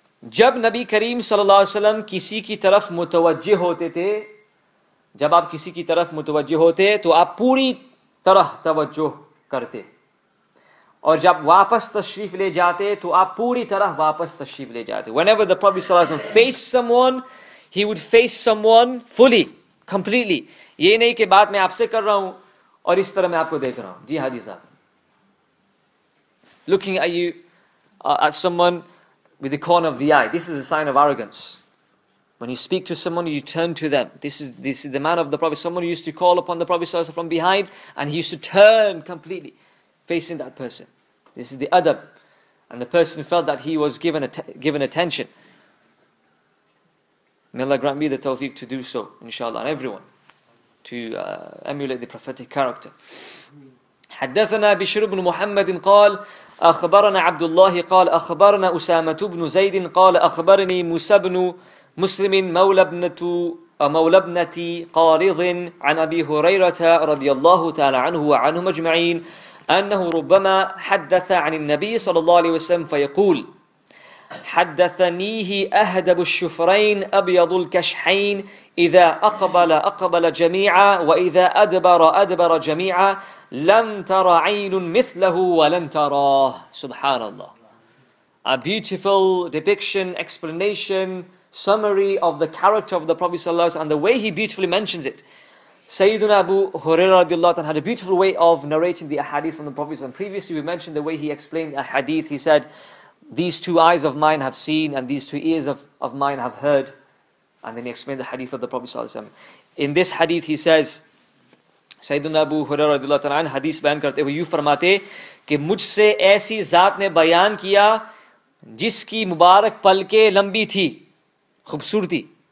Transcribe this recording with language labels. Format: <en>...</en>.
<ur>جب نبی کریم صلی اللہ علیہ وسلم کسی کی طرف متوجہ ہوتے تھے, جب آپ کسی کی طرف متوجہ ہوتے تو آپ پوری طرح توجہ کرتے, اور جب واپس تشریف لے جاتے تو آپ پوری طرح واپس تشریف لے جاتے.</ur> <en>Whenever the Prophet صلی اللہ علیہ وسلم faced someone, he would face someone fully, completely.</en> <ur>یہ نہیں کہ بات میں آپ سے کر رہا ہوں اور اس طرح میں آپ کو دیکھ رہا ہوں.</ur> <en>جی حاجی صاحب, looking at you at someone with the corner of the eye, this is a sign of arrogance. When you speak to someone, you turn to them. This is the man of the Prophet. Someone used to call upon the Prophet ﷺ from behind, and he used to turn completely facing that person. This is the adab. And the person felt that he was given attention. May Allah grant me the tawfiq to do so, inshallah, and everyone, to emulate the prophetic character.</en> <ar>حدثنا بشر بن محمد قال أخبرنا عبد الله قال أخبرنا أسامة بن زيد قال أخبرني موسى بن مسلم مولى ابنة قارض عن أبي هريرة رضي الله تعالى عنه وعنهم أجمعين أنه ربما حدث عن النبي صلى الله عليه وسلم فيقول حدثنيه أهدب الشفرين أبيض الكشحين إذا أقبل أقبل جميعا وإذا أدبر أدبر جميعا لم تر عين مثله ولن تراه. سبحان الله.</ar> <en>A beautiful depiction, explanation, summary of the character of the Prophet صلى الله عليه وسلم and the way he beautifully mentions it. Sayyiduna Abu Huraira رضي الله عنه had a beautiful way of narrating the ahadith from the Prophet صلى الله عليه وسلم. Previously we mentioned the way he explained a hadith. He said, these two eyes of mine have seen and these two ears of mine have heard. And then he explained the hadith of the Prophet ﷺ. In this hadith he says,</en> <ur>سیدنا ابو ہریرہ رضی اللہ تعالیٰ عنہ حدیث بیان کرتے ہوئے یوں فرماتے کہ مجھ سے ایسی ذات نے بیان کیا جس کی مبارک پلکے لمبی تھی, خوبصورتی.</ur>